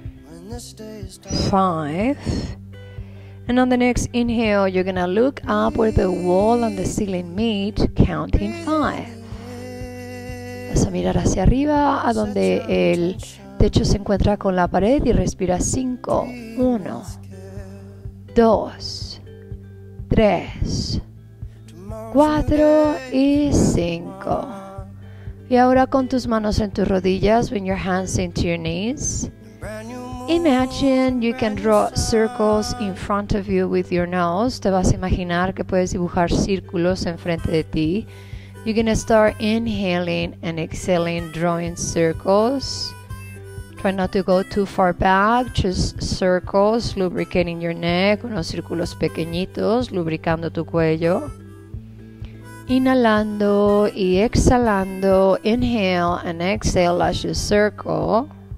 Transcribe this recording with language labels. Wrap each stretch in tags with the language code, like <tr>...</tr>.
<en>1 2 3 4 5. And on the next inhale, you're going to look up where the wall and the ceiling meet, counting 5.</en> <es>Vas a mirar hacia arriba, a donde el techo se encuentra con la pared, y respira 5, 1, 2, 3, 4 y 5. Y ahora con tus manos en tus rodillas,</es> <en>bring your hands into your knees, Imagine you can draw circles in front of you with your nose.</en> <es>Te vas a imaginar que puedes dibujar círculos enfrente de ti.</es> <en>You're going to start inhaling and exhaling, drawing circles. Try not to go too far back, just circles, lubricating your neck,</en> <es>unos círculos pequeñitos, lubricando tu cuello. Inhalando y exhalando,</es> <en>inhale and exhale as you circle.</en>